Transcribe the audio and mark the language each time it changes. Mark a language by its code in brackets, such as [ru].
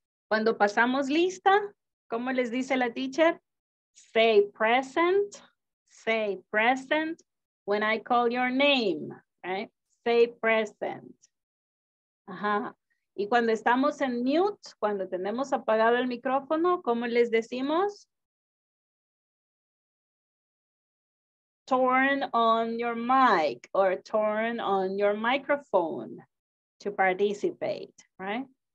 [es] Cuando pasamos lista, ¿cómo les dice la teacher? [en] Say present. Say present when I call your name, right? Say present. [es] Y cuando estamos en mute, cuando tenemos apagado el micrófono, ¿cómo les decimos? [en] Turn on your mic or turn on your microphone to participate, right?